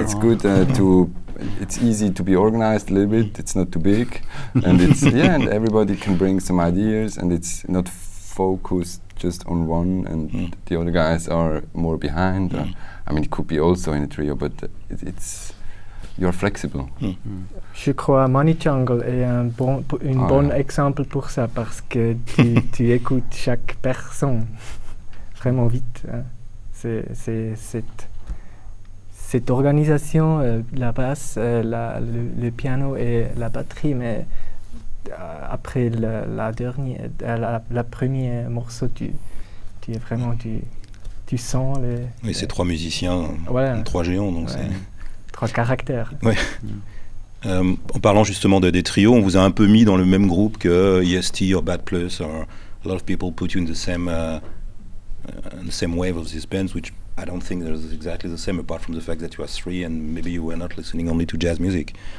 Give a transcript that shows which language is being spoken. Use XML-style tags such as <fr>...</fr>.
<en>It's good it's easy to be organized a little bit. It's not too big, and it's and everybody can bring some ideas, and it's not focused just on one, and the other guys are more behind. I mean, it could be also in a trio, but it's you're flexible.</en> <fr>Je crois Money Jungle est un bon exemple pour ça, parce que tu écoutes chaque personne vraiment vite. Hein. C'est cette organisation, la basse, le piano et la batterie, mais après la première morceau, tu es vraiment tu sens les. Oui, c'est trois musiciens, trois géants, donc c'est trois caractères. Ouais. En parlant justement des trios, on vous a un peu mis dans le même groupe que EST</fr> <en>or Bad Plus or a lot of people put you in the same wave of these bands, which I don't think is exactly the same, apart from the fact that you are three and maybe you were not listening only to jazz music.</en>